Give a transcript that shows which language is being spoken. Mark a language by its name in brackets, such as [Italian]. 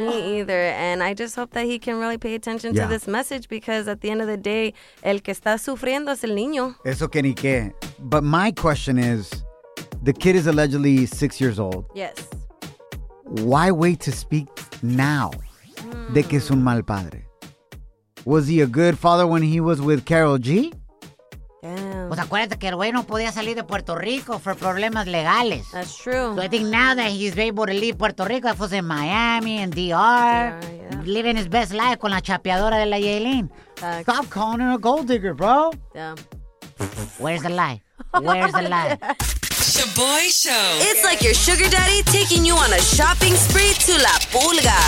[English] Me either, and I just hope that he can really pay attention to this message because at the end of the day, [Spanish] el que está sufriendo es el niño. Eso que ni qué. [English] But my question is... The kid is allegedly 6 years old. Yes. Why wait to speak now [Spanish] de que es un mal padre? [English] Was he a good father when he was with Karol G? Damn. [Spanish] Pues acuérdate que el güey no podía salir de Puerto Rico for problemas legales. [English] That's true. So I think now that he's able to leave Puerto Rico, that was in Miami and DR, living his best life [Spanish] con la chapeadora de la Yaelin. [English] Stop calling her a gold digger, bro. Yeah. Where's the lie? Where's the lie? Shaboy Show. It's like your sugar daddy taking you on a shopping spree to La Pulga.